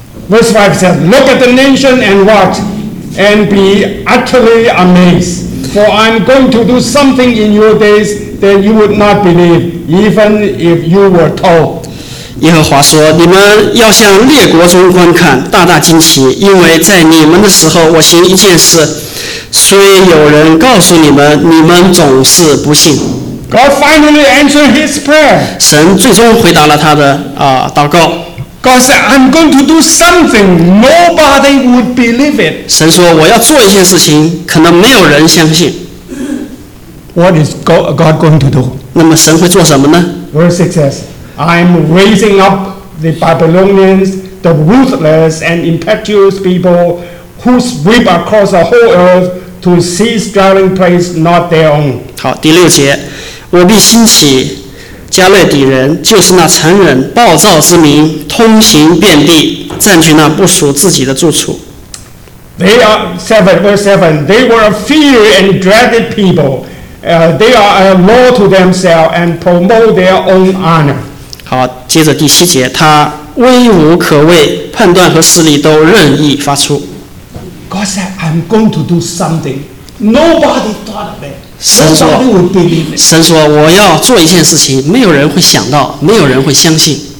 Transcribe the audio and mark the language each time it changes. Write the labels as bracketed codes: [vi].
[en] Verse 5 says, "Look at the nation and watch, and be utterly amazed. For I'm going to do something in your days that you would not believe, even if you were told." [zh] 耶和华说："你们要向列国中观看，大大惊奇，因为在你们的时候，我行一件事，虽有人告诉你们，你们总是不信。" [en] God finally answered his prayer. [zh] 神最终回答了他的祷告。 [en] God said, "I'm going to do something nobody would believe it." [zh] 神说："我要做一件事情，可能没有人相信。" [en] What is God going to do? [zh] 那么神会做什么呢 [en] ？Verse 6 says. I'm raising up the Babylonians, the ruthless and impetuous people who sweep across the whole earth to seize dwelling place not their own. [zh] 好，第六节，我必兴起加勒底人，就是那残忍暴躁之民，通行遍地，占据那不属自己的住处。 [en] They are verse 7. They were a feared and dreaded people. They are a law to themselves and promote their own honor. [zh] 好，接着第七节，他威武可畏，判断和势力都任意发出。 [en] God said, "I'm going to do something. Nobody thought of it. Nobody would believe it." [zh] 神说，我要做一件事情，没有人会想到，没有人会相信。